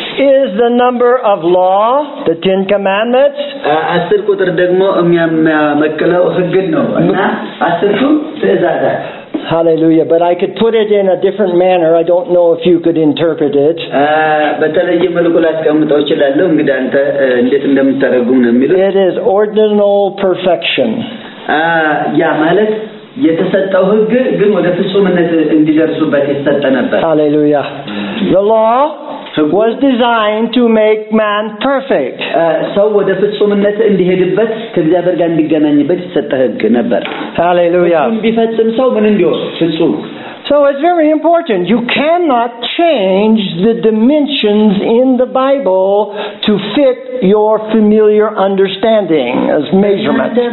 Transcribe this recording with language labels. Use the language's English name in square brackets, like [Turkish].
[English] Is the number of law, the Ten Commandments? [Amharic] አስር ቁጥር ደግሞ የሚያመቀለው ህግ ነው እና አስርቱ ትእዛዛት [English] Hallelujah, but I could put it in a different manner. I don't know if you could interpret it. [Amharic] በተለየ መልኩ ላስቀምጠው ይችላል እንግዲህ አንተ እንዴት እንደምትተረጉም ነው የሚለው [English] It is ordinal perfection. [Amharic] ያ ማለት የተሰጠው ህግ ግን ወደ ፍጹምነት እንዲደርሱበት የተሰጠ ነበር [English] Hallelujah. The law was designed to make man perfect. [Amharic] ሰው ወደ ፍጹምነት እንዲሄድበት ከእግዚአብሔር ጋር እንዲገናኝበት የተሰጠ ህግ ነበር [English] Hallelujah. [Amharic] ቢፈጽም ሰው ምን እንዲሆን ፍጹም [English] So it's very important. You cannot change the dimensions in the Bible to fit your familiar understanding as measurement.